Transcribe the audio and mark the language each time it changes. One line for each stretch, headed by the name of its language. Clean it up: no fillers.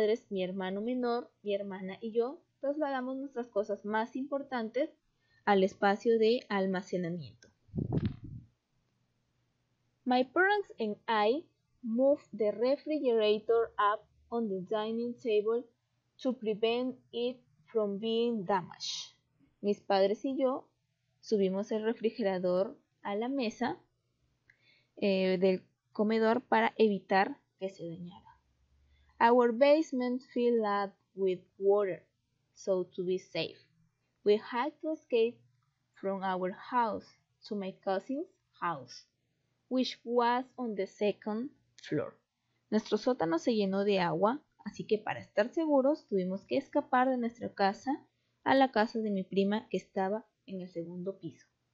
Spanish: Mi hermano menor, mi hermana y yo trasladamos nuestras cosas más importantes al espacio de almacenamiento.
English: My parents and I moved the refrigerator up on the dining table to prevent it from being damaged.
Spanish: Mis padres y yo subimos el refrigerador a la mesa del comedor para evitar que se dañara.
English: Our basement filled up with water, so to be safe, we had to escape from our house to my cousin's house, which was on the second floor.
Spanish: Nuestro sótano se llenó de agua, así que para estar seguros tuvimos que escapar de nuestra casa a la casa de mi prima que estaba en el segundo piso.